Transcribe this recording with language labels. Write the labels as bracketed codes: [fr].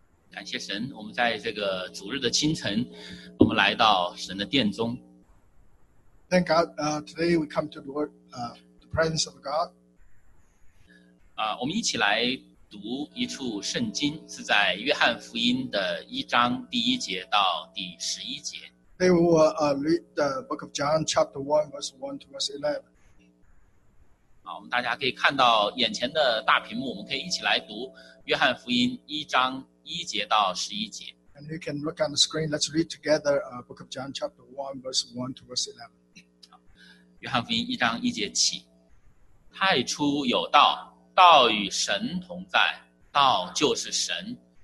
[zh] 感谢神，我们在这个主日的清晨，我们来到神的殿中。 [en] Thank God, today we come to the Lord, the presence of God. [zh] 我们一起来读一处圣经，是在约翰福音的一章第一节到第十一节。 [en] They will read the book of John, chapter 1, verse 1 to verse 11. [zh] 好，我们大家可以看到眼前的大屏幕，我们可以一起来读约翰福音一章一节到十一节。 [en] And you can look on the screen. Let's read together, book of John, chapter 1, verse 1 to verse 11. [zh] 约翰福音一章一节起，太初有道，道与神同在，道就是神。